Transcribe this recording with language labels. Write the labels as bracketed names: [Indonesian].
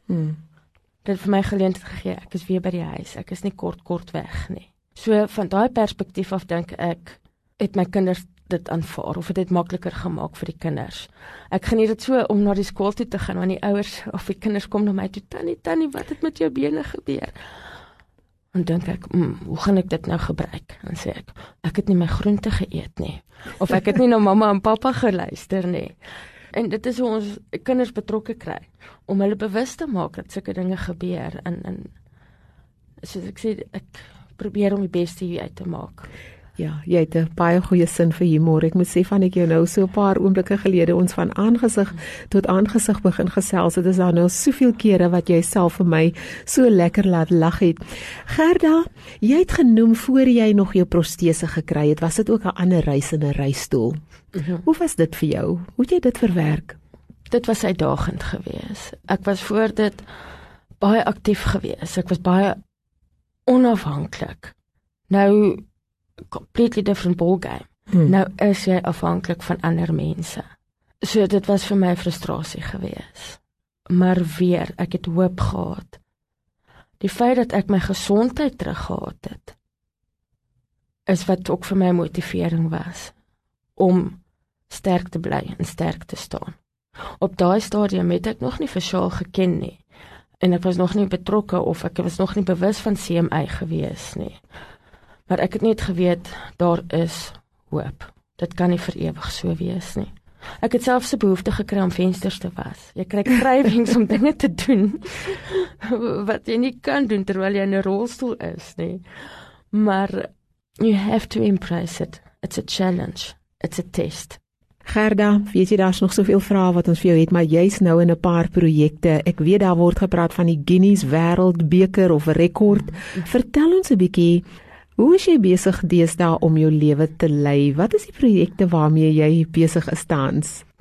[Afrikaans] Dit het vir my geleentheid gegee, ek is weer by die huis, ek is nie kort weg nie. So, van daai perspektief af dink ek, het my kinders dit aanvaar, of het dit makliker gemaak vir die kinders. Ek geniet dit so om na die skool toe te gaan, want die ouers of die kinders kom na my toe, tannie, wat het met jou bene gebeur? En dink ek, hoe gaan ek dit nou gebruik? En sê ek, ek het nie my groente geëet nie. Of ek het nie na mama en papa geluister nie. En dit is hoe ons kinders betrokke kry. Om hulle bewus te maak dat sulke dinge gebeur. En soos ek sê, ek probeer om die beste hieruit te maak. Ja, jy het 'n baie goeie sin vir humor. Ek moet sê van ek jou nou so 'n paar oomblikke gelede ons van aangesig tot aangesig begin gesels het, is daar nou soveel kere wat jy self vir my so lekker laat lag het. Gerda, jy het genoem voor jy nog jou protese gekry het, was dit ook 'n ander reis in 'n reistoel. Hoe was dit vir jou? Hoe het jy dit verwerk? Dit was uitdagend geweest. Ek was voor dit baie aktief geweest. Ek was baie onafhanklik. Nou [English] completely different ballgame. [Afrikaans] Nou is jy afhanklik van ander mense. So dit was vir my frustrasie gewees. Maar weer, ek het hoop gehad. Die feit dat ek my gesondheid teruggehad het, is wat ook vir my motivering was, om sterk te bly en sterk te staan. Op daai stadium het ek nog nie vir Shaul geken nie, en ek was nog nie betrokke, of ek was nog nie bewus van CMI gewees nie. Maar ek het net geweet, daar is hoop. Dit kan nie vir ewig so wees nie. Ek het selfs 'n behoefte gekry om vensters te was. Jy kry krywings om dinge te doen, wat jy nie kan doen terwyl jy in 'n rolstoel is nie. Maar [English] you have to embrace it. It's a challenge. It's a test. [Afrikaans] Gerda, weet jy, daar is nog soveel vrae wat ons vir jou het, maar jy is nou in 'n paar projekte. Ek weet daar word gepraat van die Guinness Wêreldbeker of rekord. Vertel ons 'n bietjie, hoe is jy besig deesdae om jou lewe te lei? Wat is die projekte waarmee jy besig is tans?